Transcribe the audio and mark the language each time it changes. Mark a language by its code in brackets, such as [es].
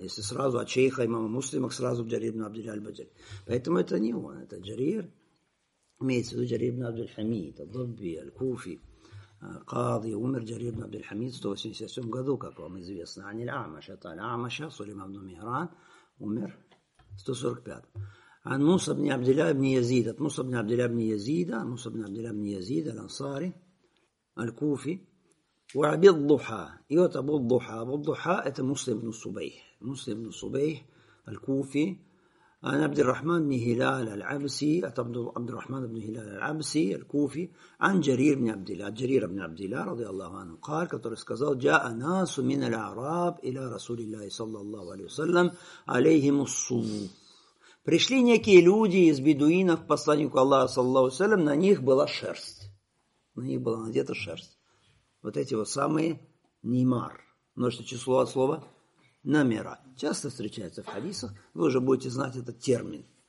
[ru] Если сразу от шейха имама муслимах сразу Джарир ибн Абдилля аль-Баджали. Поэтому это не он, это Джарир. Имеется в виду Джарир ибн Абдель-Хамид, Абдуби, Аль-Куфи, Кады. Умер Джарир ибн Абдель-Хамид в 187 году, как вам известно. Аниль-Амаш, это Аль-Амаша, Сулейм ибн Мехран, умер в 145. [ar] عن موسى بن عبد الله بن يزيد, от موسى بن عبد الله بن يزيد, موسى بن عبد الله بن يزيد الأنصاري الكوفي, وعبد الضحى, и вот Абу الضحى. [ru] Абу الضحى это Муслим ибн Субейх, Муслим ибн Субейх الكوفي. [ar] عن عبد الرحمن بن هلال العبسي, от عبد الرحمن بن هلال العبسي الكوفي. عن جرير بن عبد الله, جرير بن عبد الله رضي الله عنه قال, [ru] который сказал: [ar] جاء ناس من العرب إلى رسول الله صلى الله عليه وسلم عليهم الصوم. [ru] Пришли некие люди из бедуинов к посланнику Аллаха, саллаллаху алейхи ва саллям, на них была шерсть. На них была надета шерсть. Вот эти вот самые нимар. Множественное число от слова намера. Часто встречается в хадисах. Вы уже будете знать этот термин.